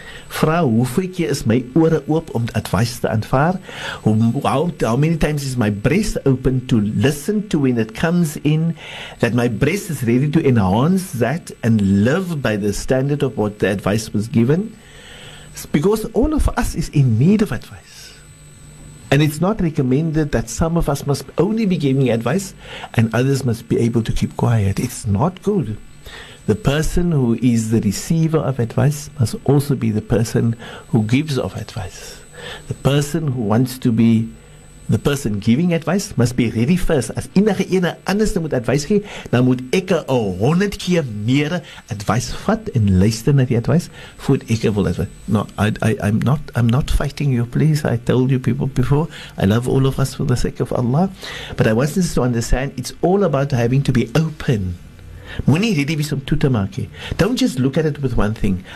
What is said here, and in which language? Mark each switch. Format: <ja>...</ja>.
<af>Vra, hoeveel keer is my ore oop om advice te aanvaar?</af> <en>How many times is my breast open to listen to when it comes in, that my breast is ready to enhance that and live by the standard of what the advice was given? It's because all of us is in need of advice. And it's not recommended that some of us must only be giving advice and others must be able to keep quiet. It's not good. The person who is the receiver of advice must also be the person who gives of advice. The person who wants to be the person giving advice must be ready first.</en> <af>As enige ene anders moet advice gee, dan moet ek 100 keer meer advice vat en luister na die advice voordat ek wil advice.</af> <en>No, I'm not fighting you, please. I told you people before, I love all of us for the sake of Allah. But I want us to understand, it's all about having to be open. Don't just look at it with one thing.</en>